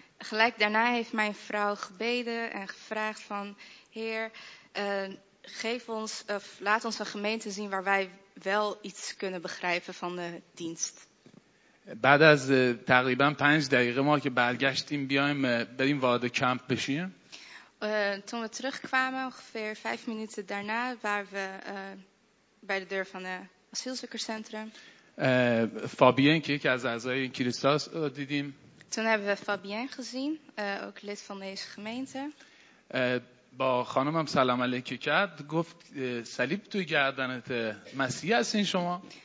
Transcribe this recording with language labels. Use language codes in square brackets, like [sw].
[nl] Gelijk daarna heeft mijn vrouw gebeden en gevraagd van Heer geef ons of laat ons een gemeente zien waar wij wel iets kunnen begrijpen van de dienst. [fa] بعد از تقریبا 5 دقیقه ما که برگشتیم بریم وارد کمپ بشیم. [nl] Toen we terugkwamen ongeveer 5 minuten daarna waren we bij de deur van het asielzoekerscentrum. [fa] Fabien که یکی از اعضای کلیساست دیدیم. [nl] Toen hebben we Fabien gezien, ook lid van deze gemeente. [fa] با خانمم سلام علیکی کرد گفت صلیب تو گردنت مسیح هستین شما؟